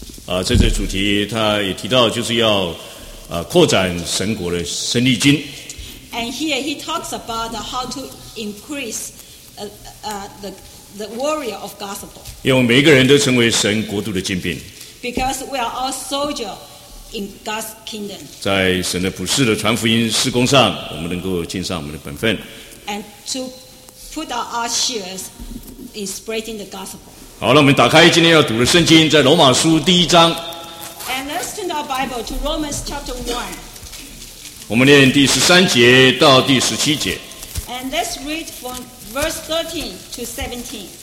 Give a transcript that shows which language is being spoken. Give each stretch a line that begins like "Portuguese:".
Chinese: 啊，这次主题他也提到，就是要扩展神国的生力军。
English: And here he talks about how to increase the warrior of gospel.
Chinese: 因为每一个人都成为神国度的精兵。
English: Because we are all soldier in God's kingdom.
Chinese: 在神的普世的传福音事工上，我们能够尽上我们的本分。
English: And to put out our shares in spreading the gospel.
Chinese: 好，那我们打开今天要读的圣经，在罗马书第一章。
English: And let's turn our Bible to Romans chapter 1.
Chinese: 我们念第十三节到第十七节。
English: And let's read from verse 13 to 17.